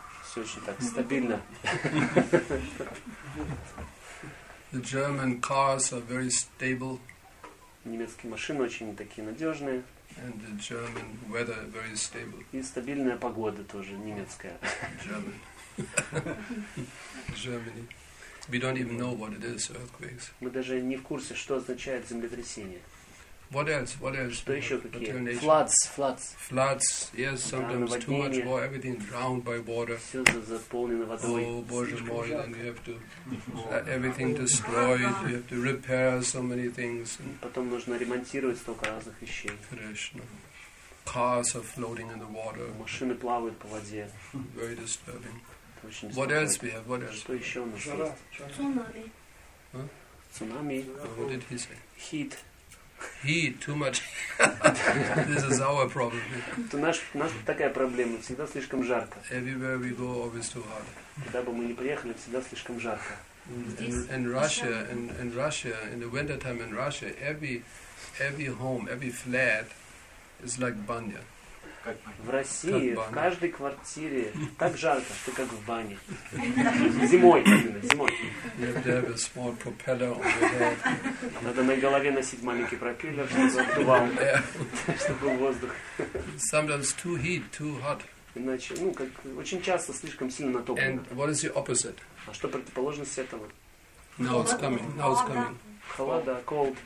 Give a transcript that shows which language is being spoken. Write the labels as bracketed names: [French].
[Russian] Все очень так стабильно. [English] The German cars are very stable. [Russian] Немецкие машины очень такие надежные. [English] And the German weather very stable. [Russian] И стабильная погода тоже немецкая. [English] German. Germany. We don't even know what it is, earthquakes. [Russian] Мы даже не в курсе, что означает землетрясение. [English] What else? What else? [Russian] Что еще какие? Floods. [English] Floods. Yes, sometimes too much water. Everything drowned by water. [Russian] Все заполнено водой. [English] Oh, [Russian] Боже мой! [English] Then you have to everything destroyed. You have to repair so many things. [Russian] Потом нужно ремонтировать столько разных вещей. Конечно. [English] Cars are floating in the water. [Russian] Машины плавают по воде. [English] Very disturbing. What else we have? What else? [Russian] Что еще у нас есть? Цунами. Цунами. [English] What did he say? Heat. Heat, too much. This is our problem. [Russian] То наш такая проблема, всегда слишком жарко. [English] Everywhere we go, always too hot. [Russian] Куда бы мы ни приехали, всегда слишком жарко. [English] In Russia, in the winter time in Russia, every home, every flat is like banya. [Russian] В России в каждой квартире так жарко, что как в бане. Зимой, именно, зимой. [English] You have a small propeller on your head. [Russian] Надо на голове носить маленький пропеллер, чтобы отдувал, чтобы воздух. [English] Sometimes too heat, too hot. [Russian] Иначе, ну, как очень часто слишком сильно натоплено. [English] And what is the opposite? [Russian] А что противоположность этого? [English] Now it's coming. [Russian] Холода, cold.